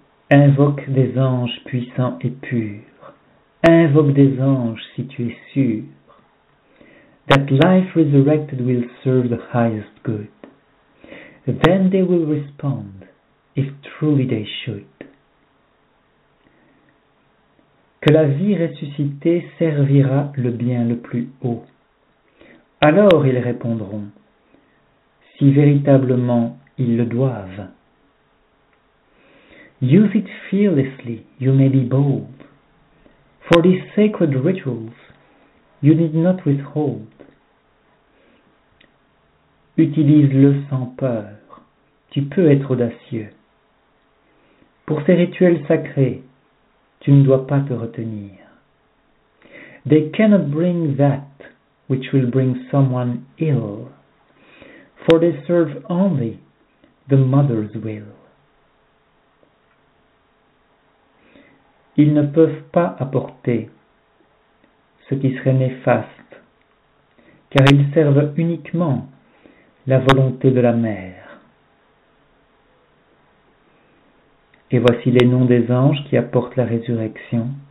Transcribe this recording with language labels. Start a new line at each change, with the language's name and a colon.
French: Invoque des anges puissants et purs. Invoque des anges si tu es sûr.
English: That life resurrected will serve the highest good. Then they will respond, if truly they should.
French: Que la vie ressuscitée servira le bien le plus haut. Alors ils répondront, si véritablement ils le doivent.
English: Use it fearlessly, you may be bold. For these sacred rituals, you need not withhold.
French: Utilise-le sans peur, tu peux être audacieux. Pour ces rituels sacrés, tu ne dois pas te retenir.
English: They cannot bring that which will bring someone ill, for they serve only the mother's will.
French: Ils ne peuvent pas apporter ce qui serait néfaste, car ils servent uniquement la volonté de la mère. Et voici les noms des anges qui apportent la résurrection.